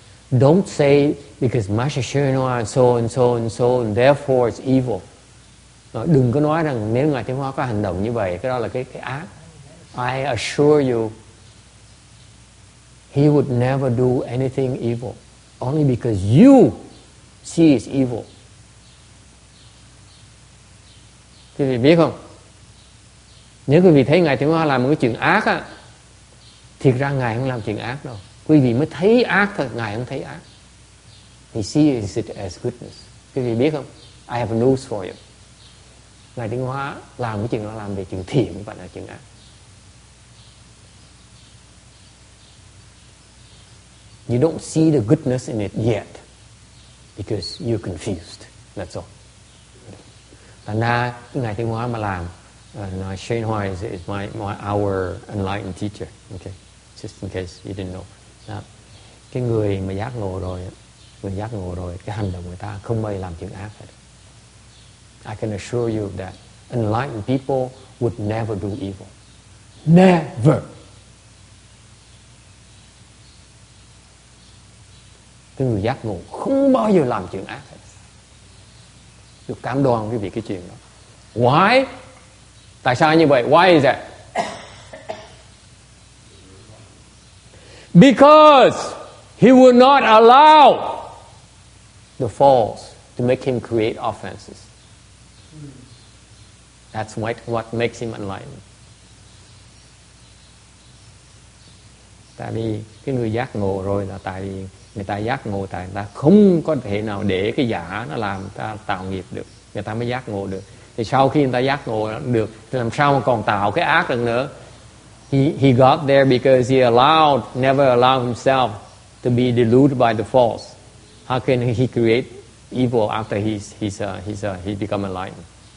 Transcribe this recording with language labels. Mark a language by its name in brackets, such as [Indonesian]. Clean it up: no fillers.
[English] Don't say, because Master Shenhua and so and so and so, and therefore it's evil. [Vietnamese] Đừng có nói rằng nếu Ngài Tinh Hoa có hành động như vậy, cái đó là cái ác. [English] I assure you, he would never do anything evil, only because you see it's evil. [Vietnamese] Quý vị biết không? Nếu quý vị thấy Ngài Tiểu Hoa làm một cái chuyện ác á, thiệt ra Ngài không làm chuyện ác đâu. Quý vị mới thấy ác thôi, Ngài không thấy ác. [English] He sees it as goodness. [Vietnamese] Quý vị biết không? [English] I have news for you. [Vietnamese] Ngài Tiểu Hoa làm cái chuyện đó làm về chuyện thiện và là chuyện ác. [English] You don't see the goodness in it yet because you're confused. That's all. [Vietnamese] Thành ra Ngài Thiện Hóa mà làm, [English] Shane Hoa is my our enlightened teacher. Okay, just in case you didn't know. Đó. [Vietnamese] Cái người mà giác ngộ rồi, người giác ngộ rồi, cái hành động người ta không bao giờ làm chuyện ác hết. [English] I can assure you that enlightened people would never do evil. Never. [Vietnamese] Cái người giác ngộ không bao giờ làm chuyện ác hết. Được cảm đoan với việc cái chuyện đó. [English] Why? [Vietnamese] Tại sao như vậy? [English] Why is that? Because he will not allow the faults to make him create offenses. That's what makes him enlightened. [Vietnamese] Tại vì cái người giác ngộ rồi là tại vì người ta giác ngộ, tại người ta không có thể nào để cái giả nó làm ta tạo nghiệp được, người ta mới giác ngộ được. Thì sau khi người ta giác ngộ được thì làm sao mà còn tạo cái ác lần nữa. [English] He got there because he allowed, never allowed himself to be deluded by the false. How can he create evil after he become enlightened?